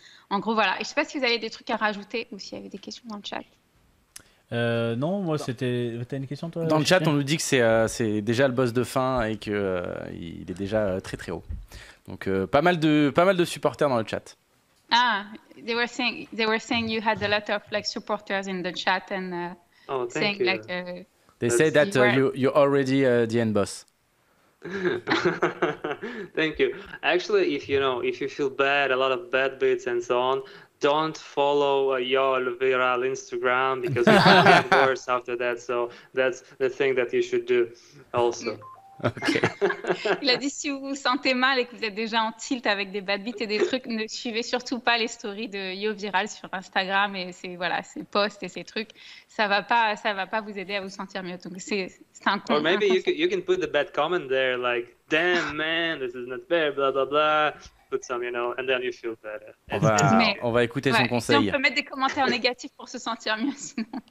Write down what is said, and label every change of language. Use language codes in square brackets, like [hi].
[fr] En gros, voilà. Je ne sais pas si vous avez des trucs à rajouter ou s'il y avait des questions dans le chat. Tu as une question, toi ? Dans le chat, on nous dit que c'est déjà le boss de fin et qu'il est déjà très, très haut. Donc, pas mal de supporters dans le chat. [en] Ah, they were saying you had a lot of like supporters in the chat. And, they say that you're already the end boss. Thank you. Actually, if you feel bad, a lot of bad beats and so on, don't follow your viral Instagram because it will get worse after that. So that's the thing that you should do also. Okay. [fr] Il a dit, si vous vous sentez mal et que vous êtes déjà en tilt avec des bad beats et des trucs, ne suivez surtout pas les stories de Yo Viral sur Instagram et ses, voilà, ses posts et ses trucs. Ça va pas vous aider à vous sentir mieux. Donc c'est un con. [en] Or maybe you can put the bad comment there, like, damn man, this is not fair, blah blah blah. Put some, you know, and then you feel better. [fr] On va écouter son conseil. Si on peut mettre des commentaires négatifs pour se sentir mieux, sinon.